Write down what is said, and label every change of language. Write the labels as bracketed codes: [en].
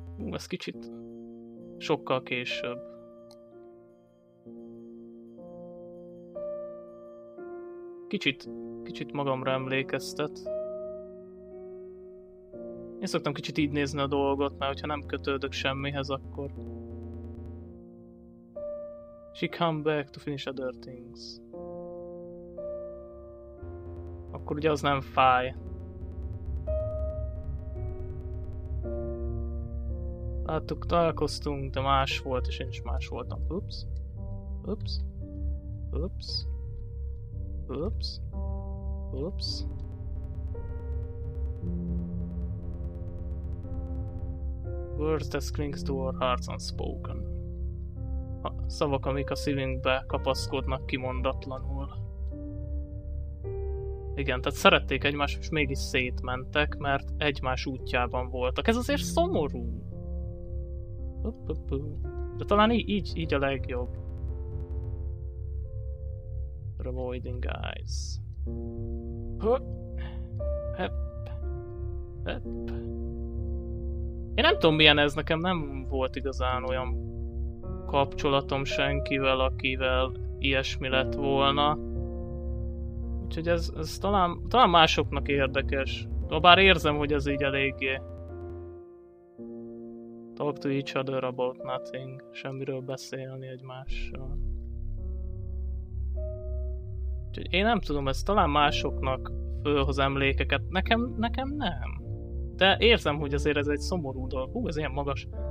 [hu] Ez kicsit sokkal később. Kicsit magamra emlékeztet. Én szoktam kicsit így nézni a dolgot, mert hogyha nem kötődök semmihez, akkor... [en] She come back to finish other things. [hu] Akkor ugye az nem fáj. Láttuk, találkoztunk, de más volt, és én is más voltam. Ups. Ups. Ups. Ups. Ups. [en] Words that clings to our hearts unspoken. [hu] A szavak, amik a szívünkbe kapaszkodnak kimondatlanul. Igen, tehát szerették egymást, és mégis szétmentek, mert egymás útjában voltak. Ez azért szomorú. De talán így a legjobb. [en] Avoiding eyes. [hu] Én nem tudom, milyen ez, nekem nem volt igazán olyan kapcsolatom senkivel, akivel ilyesmi lett volna. Úgyhogy ez talán másoknak érdekes. Bár érzem, hogy ez így eléggé. [en] Talk to each other about nothing. [hu] Semmiről beszélni egymással. Úgyhogy én nem tudom, ez talán másoknak fölhoz emlékeket. Nekem nem. De érzem, hogy azért ez egy szomorú dolog. Ez ilyen magas.